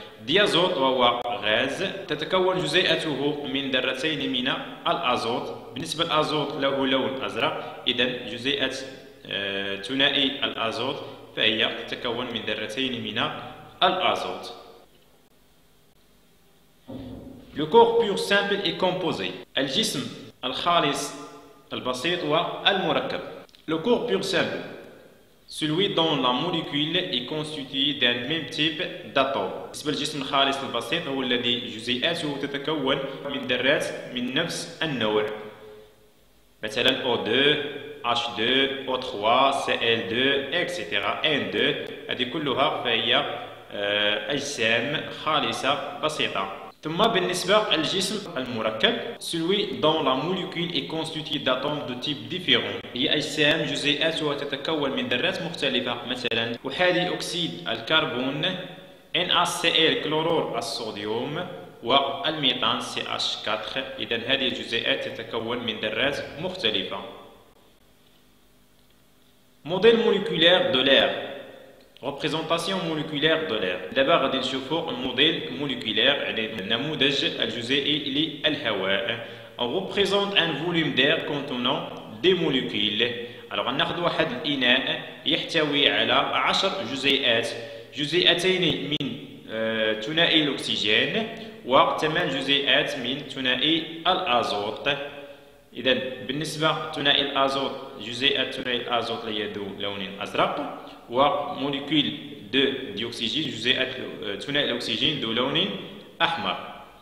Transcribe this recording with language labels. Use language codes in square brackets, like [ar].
[ar] ديازوت وهو غاز تتكون جزيئته من ذرتين من الأزوت. بالنسبة للأزوت له لون أزرق. إذا جزيئة ثنائي الأزوت فهي تتكون من ذرتين من الأزوت. [fr] Le corps pur simple est composé. [ar] الجسم الخالص البسيط و المركب. [fr] Le corps pur simple, celui dont la molécule est constituée d'un même type d'atome. [ar] بالنسبة للجسم الخالص البسيط هو الذي جزيئاته تتكون من ذرات من نفس النوع. مثلا O2, H2, O3, Cl2, etc. N2. هذه كلها فهي أجسام خالصة بسيطة. ثم بالنسبة للجسم المركب [fr] celui dont la molécule est constituée d'atomes de type différent [ar] هي أجسام جزيئاتها تتكون من ذرات مختلفة. مثلا أحادي أكسيد الكربون NaCl كلورور الصوديوم والميثان CH4. إذن هذه الجزيئات تتكون من ذرات مختلفة. [fr] موديل موليكولير دو لير. Représentation moléculaire de l'air. D'abord, il se forme un modèle moléculaire, le [ar] نموذج الجزيئي للهواء. [fr] On représente un volume d'air contenant des molécules. Alors, on a un [ar] واحد الإناء يحتوي على 10 جزيئات. جزيئتين من ثنائي الأكسجين و 8 جزيئات من ثنائي الأزوت. إذا بالنسبة ثنائي الأزوت جزيئة ثنائي الأزوت هي ذو لون أزرق و [fr] موليكول دو ديوكسيجين [ar] جزيئة ثنائي الأكسجين ذو لون أحمر.